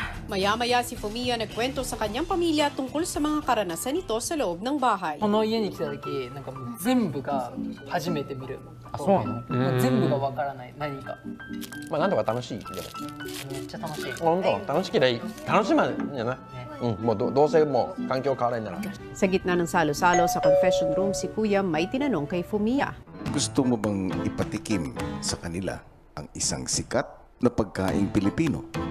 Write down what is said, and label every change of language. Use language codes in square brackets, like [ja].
[tl] Maya-maya si Fumiya nagkwento sa kanyang pamilya tungkol sa mga karanasan nito sa loob ng bahay. [ja] この家に来た時、なんか全部が初めて見る。あ、そうなの、まあ、全部がわからない、何か、まあ、なんとか楽しい、でもめっちゃ楽しい、ほんと、楽しければいい、楽しまないんじゃない、うん、もう どうせもう環境変わらないなら。 [tl] Sa gitna ng salo-salo sa confession room, si Kuya may tinanong kay Fumiya. Gusto mo bang ipatikim sa kanila ang isang sikat na pagkaing Pilipino?